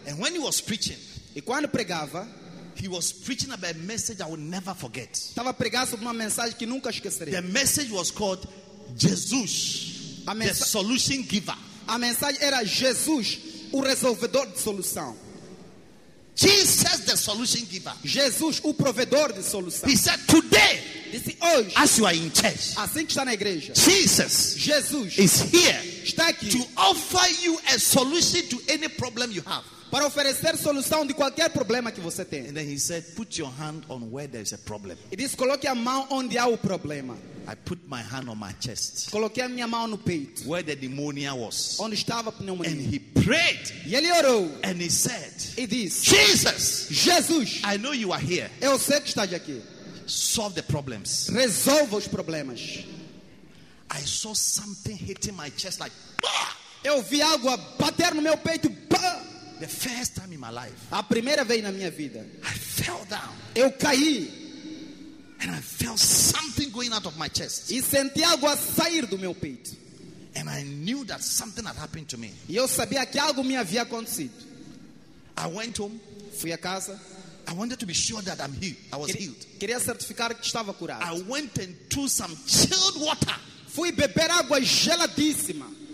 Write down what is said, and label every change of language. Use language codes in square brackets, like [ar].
[en] And when he was preaching. [pt] E quando pregava. [en] He was preaching about a message I will never forget. [pt] Estava a pregar sobre uma mensagem que nunca esquecerei. [en] The message was called Jesus, the solution giver. [pt] A mensagem era Jesus, o resolvedor de solução. [en] Jesus, the solution giver. [pt] Jesus, o provedor de solução. [en] He said, "Today, [pt] disse, hoje, [en] as you are in church, [pt] assim que está na igreja, [en] Jesus, [pt] Jesus [en] is here [pt] está aqui, [en] to offer you a solution to any problem you have." [pt] Para oferecer solução de qualquer problema que você tem. [en] And then he said, "Put your hand on where there is a problem." [pt] E disse, coloque a mão onde há o problema. [en] I put my hand on my chest. [pt] Coloquei a minha mão no peito. [en] Where the pneumonia was. [pt] Onde estava a pneumonia. [en] And he prayed. [pt] E ele orou. [en] And he said, [pt] e disse, [en] "Jesus, [pt] Jesus, [en] I know you are here. [pt] Eu sei que estás aqui. [en] Solve the problems." [pt] Resolva os problemas. [en] I saw something hitting my chest like, bah! [pt] Eu vi algo a bater no meu peito. Bah! [en] The first time in my life. [pt] A primeira vez na minha vida. [en] I fell down. [pt] Eu caí. [en] And I felt something going out of my chest. [pt] E senti algo a sair do meu peito. [en] And I knew that something had happened to me. [pt] E eu sabia que algo me havia acontecido. [en] I went home. [pt] Fui à casa. [en] I wanted to be sure that I'm healed. I was healed. [pt] Queria certificar que estava curado. [en] I went and took some chilled water. [pt] Fui beber água geladíssima.